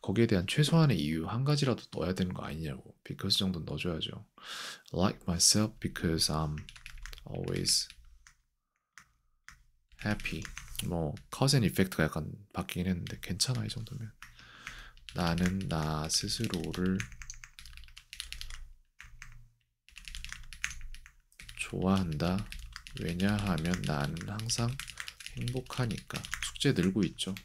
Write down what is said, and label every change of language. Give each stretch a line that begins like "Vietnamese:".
Korean: 거기에 대한 최소한의 이유 한 가지라도 넣어야 되는 거 아니냐고. because 정도 넣어줘야죠.
English: I like myself because I'm always happy.
Korean: 뭐 cause and effect가 약간 바뀌긴 했는데 괜찮아 이 정도면. 나는 나 스스로를 좋아한다. 왜냐하면 나는 항상 행복하니까. 숙제 늘고 있죠.